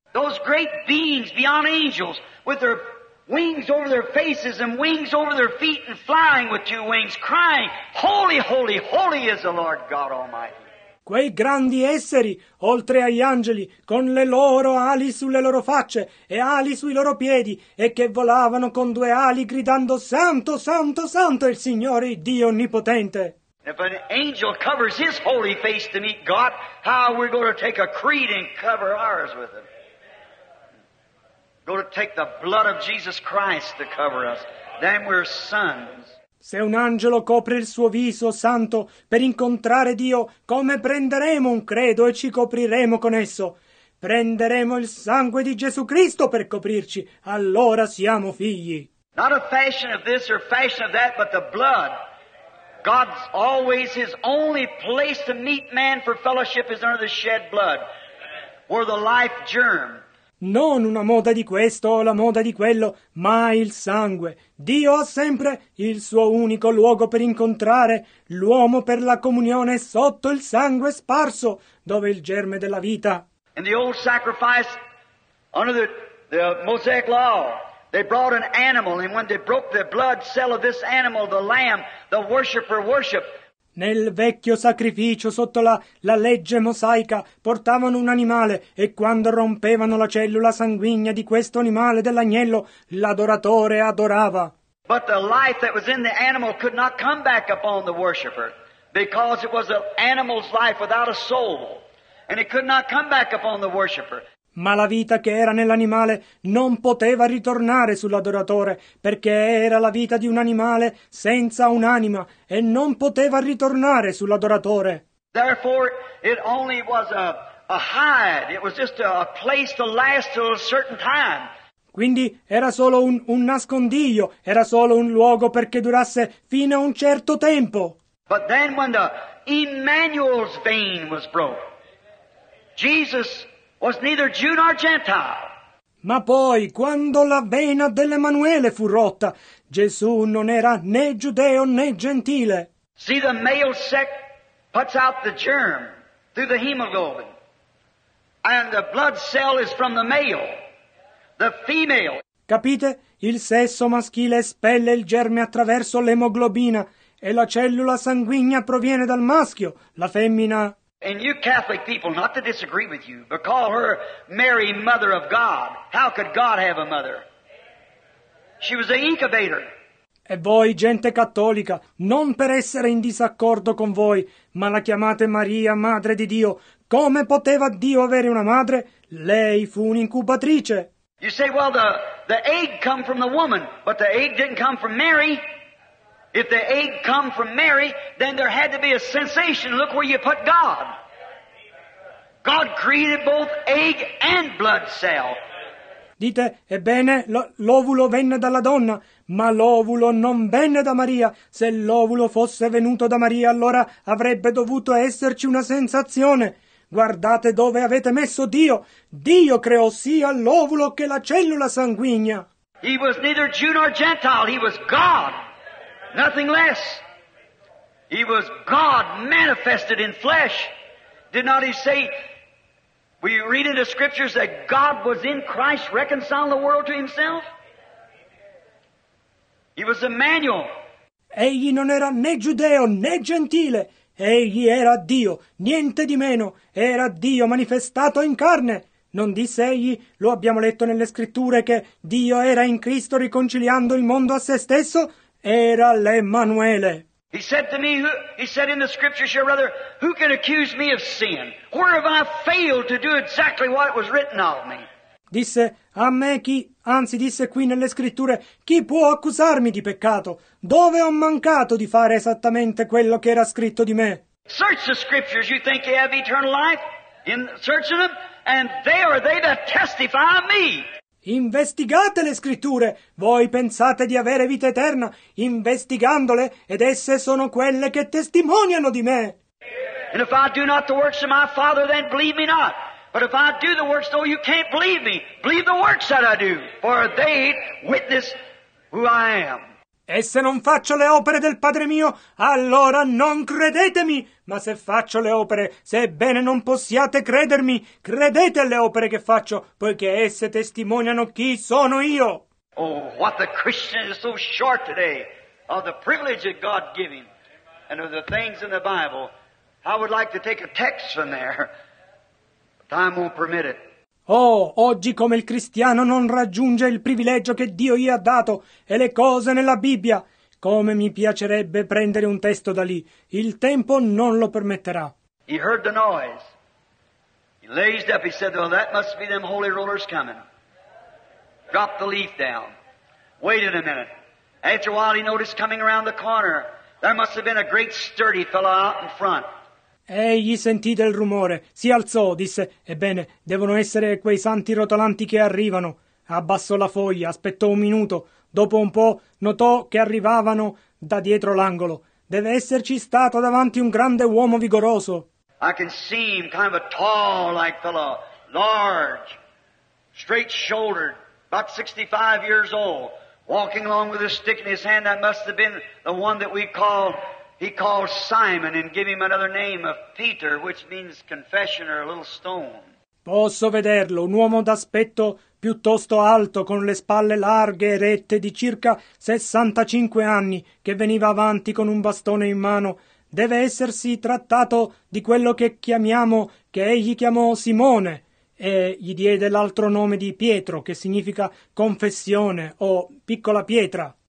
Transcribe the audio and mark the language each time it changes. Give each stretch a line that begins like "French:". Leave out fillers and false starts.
English: Those great beings beyond angels, with their wings over their faces and wings over their feet and flying with two wings, crying, holy, holy, holy is the Lord God Almighty.
Italian: Quei grandi esseri, oltre agli angeli, con le loro ali sulle loro facce e ali sui loro piedi, e che volavano con due ali gridando, Santo, Santo, Santo è il Signore, Dio Onnipotente.
English: If an angel covers his holy face to meet God, how are we going to take a creed and cover ours with him? Go to take the blood of Jesus Christ to cover us. Then we're sons.
Italian: Se un angelo copre il suo viso santo per incontrare Dio, come prenderemo un credo e ci copriremo con esso? Prenderemo il sangue di Gesù Cristo per coprirci, allora siamo figli.
English: Not a fashion of this or fashion of that, but the blood. God's always his only place to meet man for fellowship is under the shed blood, where the life germ.
Italian: Non una moda di questo o la moda di quello, ma il sangue. Dio ha sempre il suo unico luogo per incontrare l'uomo per la comunione sotto il sangue sparso, dove il germe della vita.
English: In the old sacrifice, under the Mosaic law, they brought an animal, and when they broke the blood cell of this animal, the lamb, the worshipper worshipped.
Italian: Nel vecchio sacrificio sotto la legge mosaica portavano un animale e quando rompevano la cellula sanguigna di questo animale dell'agnello l'adoratore adorava.
English: But the life that was in the animal could not come back upon the worshipper because it was an animal's life without a soul and it could not come back upon the worshipper.
Italian: Ma la vita che era nell'animale non poteva ritornare sull'adoratore, perché era la vita di un animale senza un'anima, e non poteva ritornare sull'adoratore.
English: Therefore, it only was a hide, it was just a place to last till a certain time.
Italian: Quindi era solo un nascondiglio, era solo un luogo perché durasse fino a un certo tempo.
English: But then when the Emmanuel's vein was broke, Jesus was neither Jew nor Gentile.
Italian: Ma poi, quando la vena dell'Emanuele fu rotta, Gesù non era né giudeo né gentile.
English: See, the male sex puts out the germ through the hemoglobin, and the blood cell is from the male, the female.
Italian: Capite? Il sesso maschile espelle il germe attraverso l'emoglobina, e la cellula sanguigna proviene dal maschio, la femmina.
English: And you Catholic people, not to disagree with you, but call her Mary, Mother of God. How could God have a mother? She was the incubator.
Italian: E voi, gente cattolica, non per essere in disaccordo con voi, ma la chiamate Maria, Madre di Dio. Come poteva Dio avere una madre? Lei fu un'incubatrice.
English: You say, well, the egg come from the woman, but the egg didn't come from Mary. If the egg come from Mary, then there had to be a sensation. Look where you put God. God created both egg and blood cell.
Italian: Dite, ebbene, l'ovulo venne dalla donna, ma l'ovulo non venne da Maria. Se l'ovulo fosse venuto da Maria, allora avrebbe dovuto esserci una sensazione. Guardate dove avete messo Dio. Dio creò sia l'ovulo che la cellula sanguigna.
English: He was neither Jew nor Gentile. He was God. Nothing less. He was God manifested in flesh. Did not he say... We read in the scriptures that God was in Christ reconciling the world to himself. He was Emmanuel.
Italian: Egli non era né giudeo né gentile. Egli era Dio, niente di meno. Era Dio manifestato in carne. Non disse egli, lo abbiamo letto nelle scritture, che Dio era in Cristo riconciliando il mondo a se stesso? Era l'Emmanuele.
English: He said to me, he said in the scriptures, your brother, who can accuse me of sin? Where have I failed to do exactly what it was written of me?
Italian: Disse, a me chi, anzi disse qui nelle scritture, chi può accusarmi di peccato? Dove ho mancato di fare esattamente quello che era scritto di me?
English: Search the scriptures, you think you have eternal life? Search them, and they are they that testify of me.
Italian: Investigate le scritture, voi pensate di avere vita eterna, investigandole, ed esse sono quelle che testimoniano di me.
English: And if I do not the works of my Father, then believe me not. But if I do the works, though you can't believe me, believe the works that I do, for they witness who I am.
Italian: E se non faccio le opere del Padre mio, allora non credetemi. Ma se faccio le opere, sebbene non possiate credermi, credete alle opere che faccio, poiché esse testimoniano chi sono io.
English: Oh, what the Christian is so short today of the privilege of God giving and of the things in the Bible. I would like to take a text from there, but time won't permit it.
Italian: Oh, oggi come il cristiano non raggiunge il privilegio che Dio gli ha dato e le cose nella Bibbia. Come mi piacerebbe prendere un testo da lì. Il tempo non lo permetterà.
English: He heard the noise. He lazed up. He said, well, that must be them holy rollers coming. Dropped the leaf down. Waited a minute. After a while he noticed coming around the corner, there must have been a great sturdy fellow out in front.
Italian: Egli sentì del rumore, si alzò, disse, ebbene, devono essere quei santi rotolanti che arrivano. Abbassò la foglia, aspettò un minuto. Dopo un po' notò che arrivavano da dietro l'angolo. Deve esserci stato davanti un grande uomo vigoroso.
English: I can see him, kind of a tall like fellow, large, straight shouldered, about 65 years old, walking along with a stick in his hand. That must have been the one that he calls Simon, and give him another name of Peter, which means confession or a little stone.
Italian: Posso vederlo, un uomo d'aspetto piuttosto alto, con le spalle larghe e rette, di circa 65 anni, che veniva avanti con un bastone in mano. Deve essersi trattato di quello che egli chiamò Simone, e gli diede l'altro nome di Pietro, che significa confessione o piccola pietra.